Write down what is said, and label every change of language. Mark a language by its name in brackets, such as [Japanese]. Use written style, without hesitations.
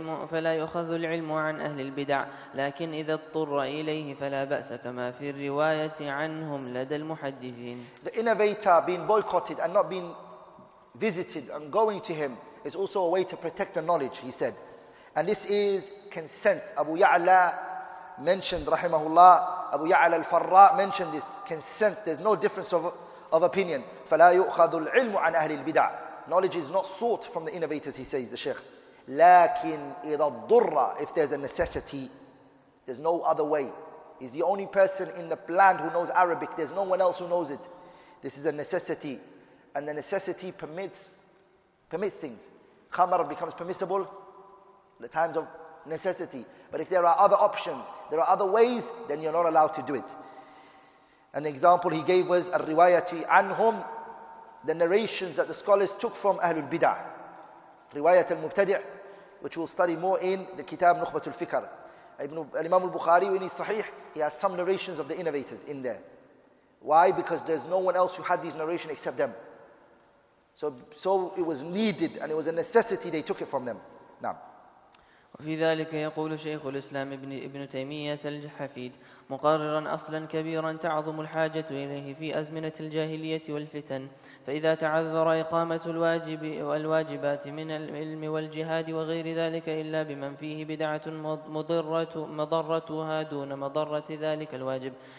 [Arabic] فلا يؤخذ العلم عن أهل البدع لكن إذا اضطر إليه فلا بأس كما في الرواية عنهم لدى المحدثين. [English] The innovator being boycotted and not being visited and going to him is also a way to protect the knowledge, he said. And this is consent. Abu Ya'la mentioned, rahimahullah, Abu Ya'la al-Farra mentioned this consent. There's no difference of opinion. [Arabic] فلا يؤخذ العلم عن أهل البدع. [English] Knowledge is not sought from the innovators, he says, the Shaykh. [Arabic] لكن إذا الضر, [English] if there's a necessity, there's no other way. He's the only person in the land who knows Arabic. There's no one else who knows it. This is a necessity. And the necessity permits things. Khamar becomes permissible in the times of necessity. But if there are other options, there are other ways, then you're not allowed to do it. An example he gave was [Arabic] الروايتي عنهم, [English] the narrations that the scholars took from Ahlul Bid'ah. [Arabic] رواية المبتدع, [English] which we'll study more in the Kitab نخبة الفكر. Imam al-Bukhari, in his Sahih, he has some narrations of the innovators in there. Why? Because there's no one else who had these narrations except them. So it was needed and it was a necessity they took it from them. Now. [Arabic] وفي ذلك يقول شيخ الإسلام ابن تيمية الحفيد مقررا أصلا كبيرا تعظم الحاجة إليه في أزمنة الجاهلية والفتن فإذا تعذر إقامة الواجب والواجبات من العلم والجهاد وغير ذلك إلا بمن فيه بدعة مضرتها دون مضرة ذلك الواجب